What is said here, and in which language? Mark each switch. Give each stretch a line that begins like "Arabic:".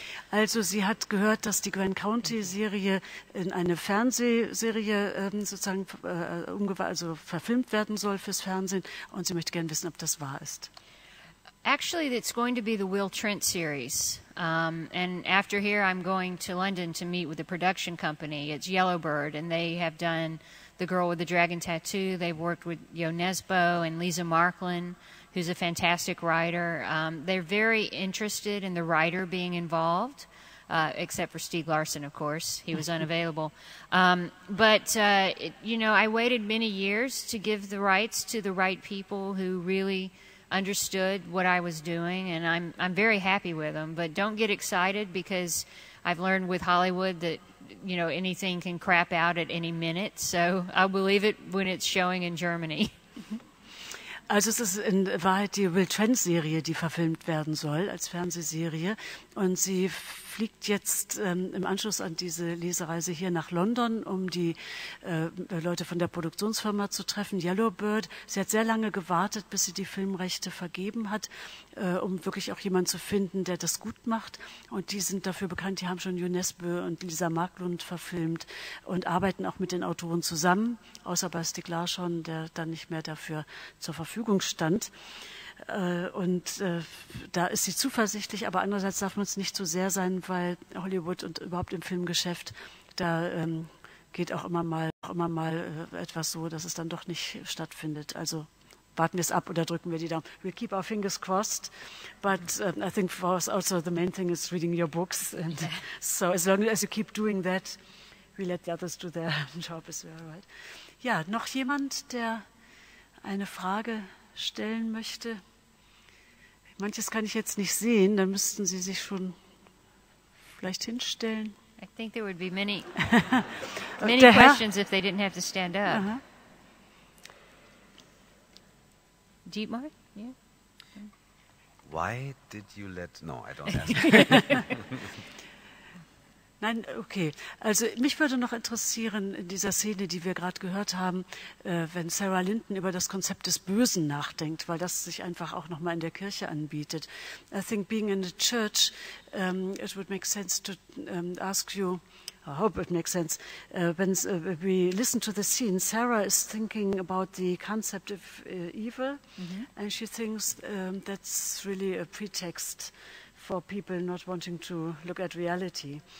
German: Also sie hat gehört, dass die Grand County-Serie in eine Fernsehserie sozusagen also verfilmt werden soll fürs Fernsehen. Und sie möchte gerne wissen, ob das wahr ist.
English: Actually, it's going to be the Will Trent series. And after here, I'm going to London to meet with the production company. It's Yellowbird, and they have done The Girl with the Dragon Tattoo. They've worked with Yo Nesbo and Lisa Marklin, who's a fantastic writer. They're very interested in the writer being involved, except for Stieg Larsson, of course. He was unavailable. I waited many years to give the rights to the right people who really understood what I was doing, and I'm very happy with them. But don't get excited, because I've learned with Hollywood that, you know, anything can crap out at any minute. So I'll believe it when it's showing in Germany.
German: Also es ist in Wahrheit die Will Trent-Serie, die verfilmt werden soll als Fernsehserie. Und sie fliegt jetzt im Anschluss an diese Lesereise hier nach London, um die Leute von der Produktionsfirma zu treffen, Yellowbird. Sie hat sehr lange gewartet, bis sie die Filmrechte vergeben hat, um wirklich auch jemanden zu finden, der das gut macht. Und die sind dafür bekannt, die haben schon Yo Nesbo und Lisa Marklund verfilmt und arbeiten auch mit den Autoren zusammen, außer bei Stieg Larsson, der dann nicht mehr dafür zur Verfügung stand. Und da ist sie zuversichtlich, aber andererseits darf man es nicht zu sehr sein, weil Hollywood und überhaupt im Filmgeschäft, da geht auch immer mal etwas so, dass es dann doch nicht stattfindet. Also warten wir es ab oder drücken wir die Daumen.
English: We keep our fingers crossed, but I think for us also the main thing is reading your books. And so as long as you keep doing that, we let the others do their job as well, right?
German: Ja, noch jemand, der eine Frage stellen möchte? Manches kann ich jetzt nicht sehen, dann müssten Sie sich schon vielleicht hinstellen.
English: I think there would be many questions if they didn't have to stand up. Uh-huh. Dietmar? Yeah. Why did you let... No, I don't ask.
German: Nein, okay. Also mich würde noch interessieren, in dieser Szene, die wir gerade gehört haben, wenn Sarah Linton über das Konzept des Bösen nachdenkt, weil das sich einfach auch nochmal in der Kirche anbietet.
English: I think being in the church, it would make sense to ask you... I hope it makes sense. When we listen to the scene, Sarah is thinking about the concept of evil, mm-hmm. and she thinks that's really a pretext for people not wanting to look at reality.